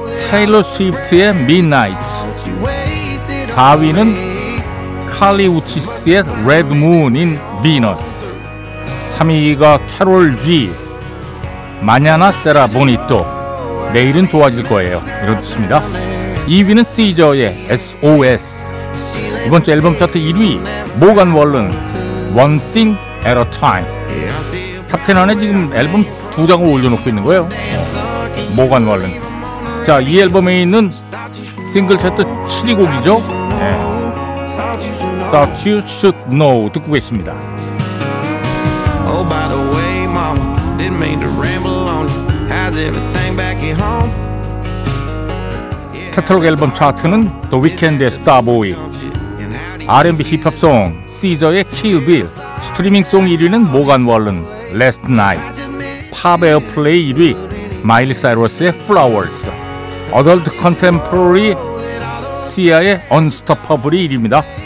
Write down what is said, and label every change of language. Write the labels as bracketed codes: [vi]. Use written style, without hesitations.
[ko] 테일러 스위프트의 Midnight. 4위는 칼리 우치스의 Red Moon인 Venus. 3위가 캐롤 G, Mañana será bonito. 내일은 좋아질 거예요. 이런 뜻입니다. 2위는 시저의 SOS. 이번 주 앨범 차트 1위, 모건 월런, One Thing at a Time. 탑10 안에 지금 앨범 두 장을 올려놓고 있는 거예요. 모건 월런. 자, 이 앨범에 있는 싱글 차트 7위 곡이죠. 네. [en] Thought You Should Know [ko] 듣고 계십니다. [en] Oh, by the way, mama, didn't mean to ramble on. How's everything back at home? [ko] 캐탈로그 앨범 차트는 The Weeknd의 Starboy, R&B 힙합송 시저의 Kill Bill, 스트리밍 송 1위는 Morgan Wallen, Last Night, 팝 에어플레이 1위 Miley Cyrus의 Flowers, Adult Contemporary Sia의 Unstoppable이 1위입니다.